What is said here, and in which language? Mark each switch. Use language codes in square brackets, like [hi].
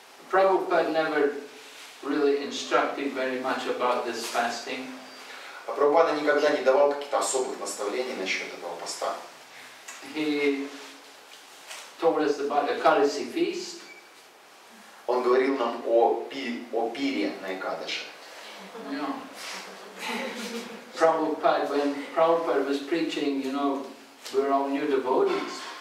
[en] Prabhupada never really instructed very much about this fasting. [ru] А Прабхупада никогда не давал каких-то особых наставлений насчет этого поста. [en] He told us about the Kalasi feast. [ru] Он говорил нам о пире на Экадаше. [en] Prabhupada, when Prabhupada was preaching, you know, we're all new devotees.